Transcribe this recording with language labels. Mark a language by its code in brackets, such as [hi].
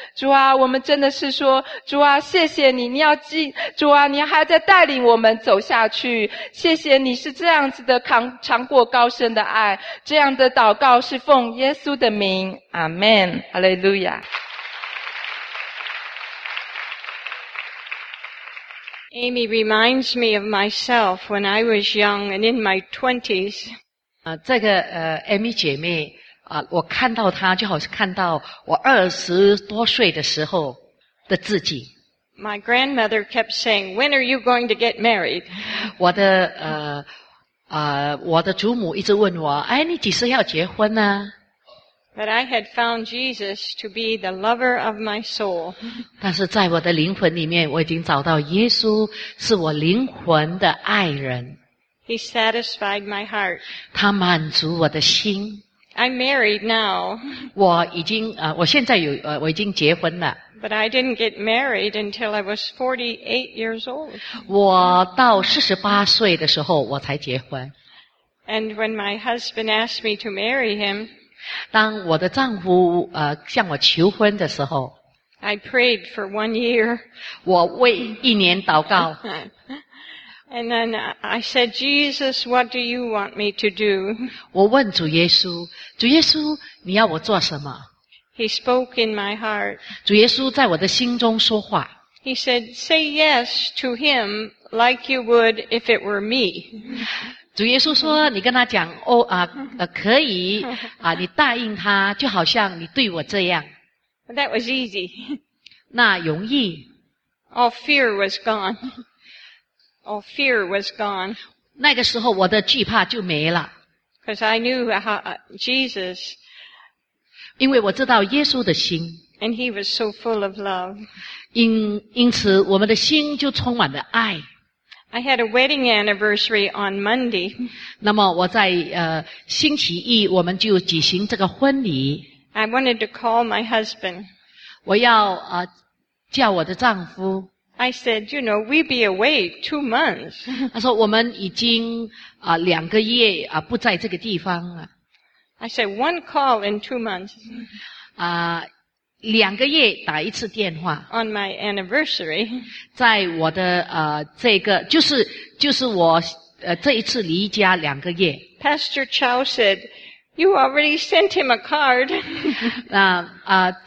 [zh] 主啊，我们真的是说，主啊，谢谢你，你要记，主啊，你还在带领我们走下去。谢谢你是这样子的尝过高深的爱。这样的祷告是奉耶稣的名，阿们，哈利路亚。 [en] Amy reminds me of myself when I was young and in my 20s. [zh] Amy 姐妹啊，我看到她就好像看到我20多岁的时候的自己。 [en] My grandmother kept saying, "When are you going to get married?" [zh] 我的祖母一直问我，哎，你几时要结婚呢？ [en] But I had found Jesus to be the lover of my soul. [zh] 但是在我的灵魂里面，我已经找到耶稣是我灵魂的爱人。 [en] He satisfied my heart. [zh] 他满足我的心。 [en] I'm married now. [zh] 我已经我现在有我已经结婚了。 [en] But I didn't get married until I was 48 years old. [zh] 我到48岁的时候我才结婚。 [en] And when my husband asked me to marry him, [zh] 当我的丈夫向我求婚的时候 [en] I prayed for 1 year. [zh] 我为一年祷告。 [en] And then I said, Jesus, what do you want me to do? [zh] 我问主耶稣，主耶稣，你要我做什么？ [en] He spoke in my heart. [zh] 主耶稣在我的心中说话。 [en] He said, say yes to him like you would if it were me. [zh] 主耶稣说，你跟他讲，可以，你答应他，就好像你对我这样。 [en] That was easy. [zh] 那容易。 [en] All fear was gone. All fear was gone. [zh] 那个时候我的惧怕就没了。 [en] Because I knew how Jesus [zh] 因为我知道耶稣的心 [en] and he was so full of love. [zh] 因此我们的心就充满了爱。 [en] I had a wedding anniversary on Monday. [zh] 那么我在星期一我们就举行这个婚礼。 [en] I wanted to call my husband. [zh] 我要叫我的丈夫。 [en] I said, you know, we'd be away 2 months. [zh] 他说我们已经两个月不在这个地方了。 [en] I said, one call in 2 months. [zh] 两个月打一次电话。 [en] On my anniversary. [zh] 在我的这个就是我这一次离家两个月。 [en] Pastor Chow said, you already sent him a card.